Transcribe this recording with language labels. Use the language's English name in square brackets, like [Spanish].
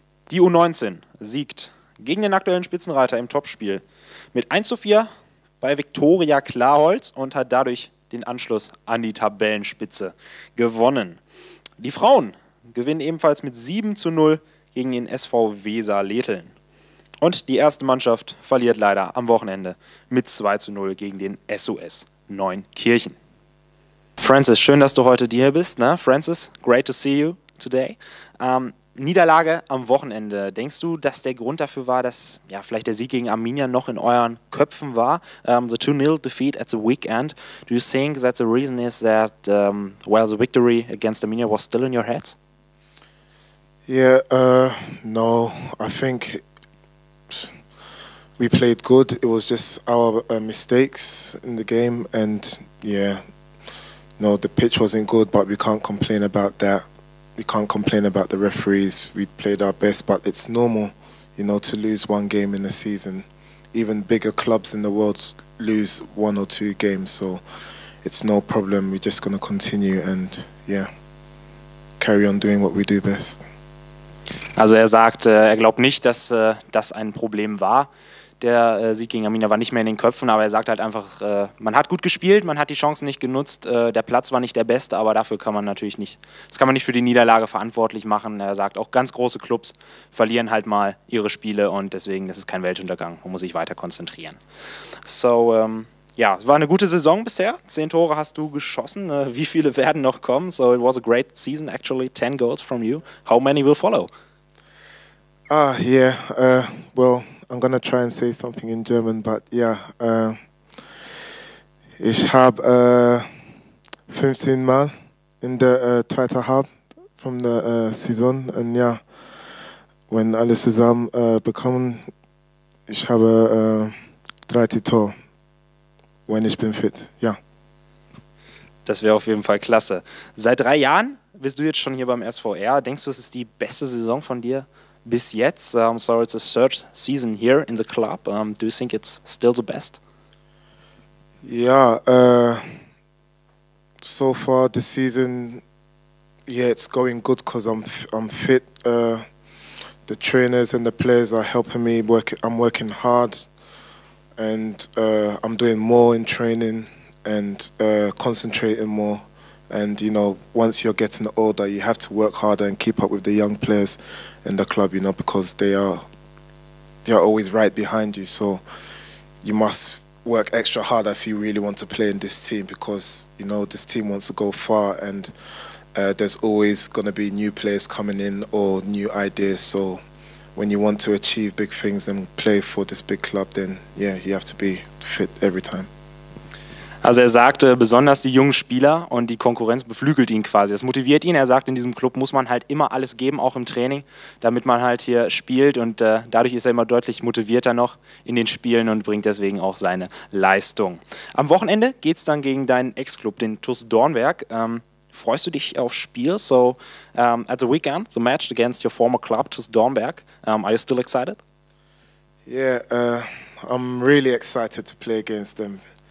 [German] Die U19 siegt gegen den aktuellen Spitzenreiter im Topspiel mit 1:4 bei Viktoria Klarholz und hat dadurch den Anschluss an die Tabellenspitze gewonnen. Die Frauen gewinnen ebenfalls mit 7:0 gegen den SV Weser-Leteln. Und die erste Mannschaft verliert leider am Wochenende mit 2:0 gegen den SOS Neunkirchen. Francis, schön, dass du heute hier bist. Ne? [English] Francis, great to see you today. [German] Niederlage am Wochenende. Denkst du, dass der Grund dafür war, dass ja, vielleicht der Sieg gegen Arminia noch in euren Köpfen war? [English] The 2-0 defeat at the weekend. Do you think that the reason is that well, the victory against Arminia was still in your heads? Yeah, no. I think we played good. It was just our mistakes in the game. And yeah, no, the pitch wasn't good, but we can't complain about that. We can't complain about the referees. We played our best, but it's normal, you know, to lose one game in a season. Even bigger clubs in the world lose one or two games, so it's no problem. We're just going to continue and, yeah, carry on doing what we do best. [German] Also er sagt, er glaubt nicht, dass das ein Problem war. Der Sieg gegen Arminia war nicht mehr in den Köpfen, aber er sagt halt einfach, man hat gut gespielt, man hat die Chancen nicht genutzt, der Platz war nicht der beste, aber dafür kann man natürlich nicht, das kann man nicht für die Niederlage verantwortlich machen. Er sagt, auch ganz große Clubs verlieren halt mal ihre Spiele und deswegen, das ist kein Weltuntergang, man muss sich weiter konzentrieren. So, ja, es war eine gute Saison bisher, 10 Tore hast du geschossen, wie viele werden noch kommen? [English] So, it was a great season actually, 10 goals from you, how many will follow? Well, I'm gonna try and say something in German, but yeah, [German] ich habe 15 Mal in der zweiten Halbzeit von der Saison und ja, wenn alle zusammen bekommen, ich habe 30 Tore, wenn ich bin fit, ja. [English] Yeah. [German] Das wäre auf jeden Fall klasse. Seit 3 Jahren bist du jetzt schon hier beim SVR. Denkst du, es ist die beste Saison von dir? Bis jetzt, [English] so it's the 3rd season here in the club. Do you think it's still the best? Yeah, so far this season, yeah, it's going good because I'm fit. The trainers and the players are helping me. I'm working hard and I'm doing more in training and concentrating more. And you know, once you're getting older, you have to work harder and keep up with the young players in the club, you know, because they are always right behind you. So you must work extra harder if you really want to play in this team, because you know this team wants to go far, and there's always going to be new players coming in or new ideas. So when you want to achieve big things and play for this big club, then yeah, you have to be fit every time. [German] Also er sagte, besonders die jungen Spieler und die Konkurrenz beflügelt ihn quasi. Das motiviert ihn. Er sagt, in diesem Club muss man halt immer alles geben, auch im Training, damit man halt hier spielt. Und dadurch ist er immer deutlich motivierter noch in den Spielen und bringt deswegen auch seine Leistung. Am Wochenende geht es dann gegen deinen Ex-Club, den TuS Dornberg. Freust du dich aufs Spiel? [English] So, at the weekend, the match against your former club, TuS Dornberg. Are you still excited? Yeah, I'm really excited to play against them.